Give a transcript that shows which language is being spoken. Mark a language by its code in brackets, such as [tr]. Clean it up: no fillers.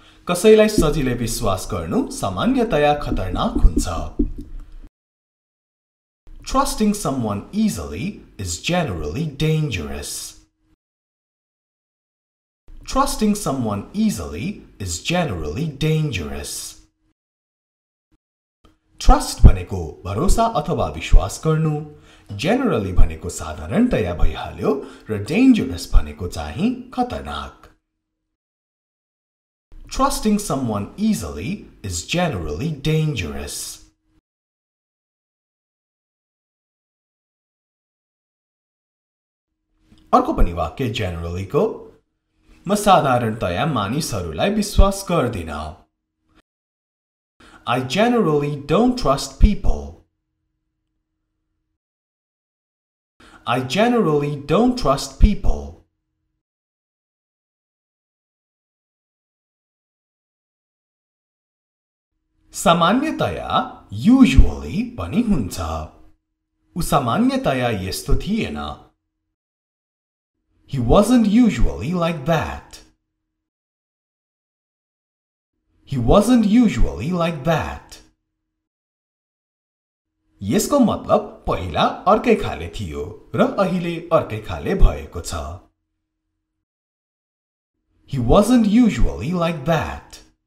[ne] कसैलाई सजिलै विश्वास गर्नु सामान्यतया खतरनाक हुन्छ. [en] Trusting someone easily is generally dangerous. Trusting someone easily is generally dangerous. [ne] Trust भनेको भरोसा अथवा विश्वास गर्नु, generally भनेको साधारणतया भइहाल्यो र dangerous भनेको चाहिँ खतरनाक. [en] Trusting someone easily is generally dangerous. [ne] अर्को पनि वाक्य generally को म साधारणतया मानिसहरूलाई विश्वास गर्दिन. [en] I generally don't trust people. I generally don't trust people. [ne] सामान्यतया usually पनि हुन्छ. ऊ सामान्यतया यस्तो थिएन. [en] He wasn't usually like that. He wasn't usually like that. [ne] यसको मतलब पहिला अर्कै खाले थियो र अहिले अर्कै खाले भएको छ. [en] He wasn't usually like that.